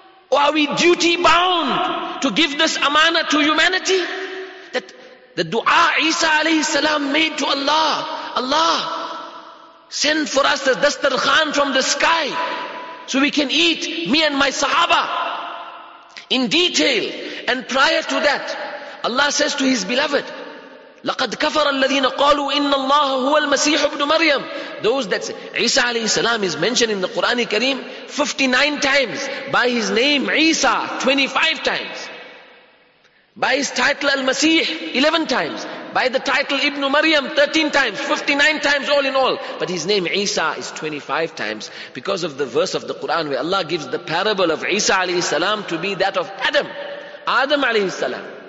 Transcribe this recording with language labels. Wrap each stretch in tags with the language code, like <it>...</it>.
<en>Or are we duty bound to give this amana to humanity? That the dua Isa alayhi salam made to Allah, Allah, send for us the dastarkhan from the sky so we can eat, me and my sahaba, in detail. And prior to that, Allah says to his beloved,</en> <ar>لَقَدْ كَفَرَ الَّذِينَ قَالُوا إِنَّ اللَّهَ هُوَ الْمَسِيحُ ابْنُ مَرْيَمُ.</ar> <en>Those that say, Isa alayhi salam is mentioned in the Quran Kareem 59 times. By his name Isa, 25 times. By his title Al-Masih, 11 times. By the title Ibn Maryam, 13 times. 59 times all in all. But his name Isa is 25 times. Because of the verse of the Quran where Allah gives the parable of Isa alayhi salam to be that of Adam. Adam alayhi salam.</en>